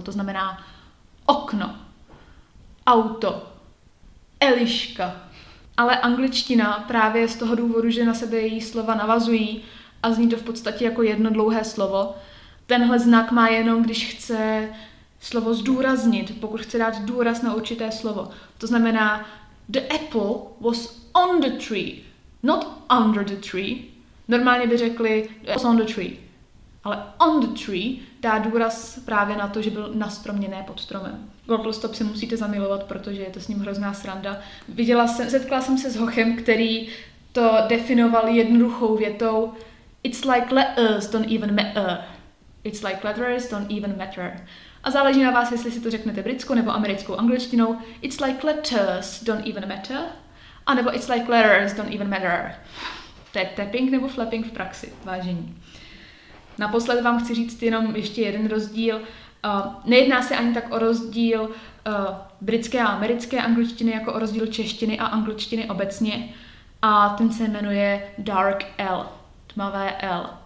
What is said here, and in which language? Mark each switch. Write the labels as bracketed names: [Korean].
[Czech] To znamená okno, auto, Eliška. Ale angličtina právě z toho důvodu, že na sebe její slova navazují a zní to v podstatě jako jedno dlouhé slovo, tenhle znak má jenom, když chce slovo zdůraznit, pokud chce dát důraz na určité slovo. To znamená, [English] the apple was on the tree, not under the tree. [Czech] Normálně by řekli, [English] the apple was on the tree. [Czech] Ale [English] on the tree [Czech] dá důraz právě na to, že byl na stromě, ne pod stromem. Glottal stop si musíte zamilovat, protože je to s ním hrozná sranda. Setkala jsem se s hochem, který to definoval jednoduchou větou [English] It's like letters don't even matter. It's like letters don't even matter. [Czech] A záleží na vás, jestli si to řeknete britskou nebo americkou angličtinou. [English] It's like letters don't even matter. [Czech] A nebo [English] it's like letters don't even matter. [Czech] To je tapping nebo flapping v praxi, vážení. Naposled vám chci říct jenom ještě jeden rozdíl. Nejedná se ani tak o rozdíl britské a americké angličtiny, jako o rozdíl češtiny a angličtiny obecně. A ten se jmenuje dark L. Tmavé L.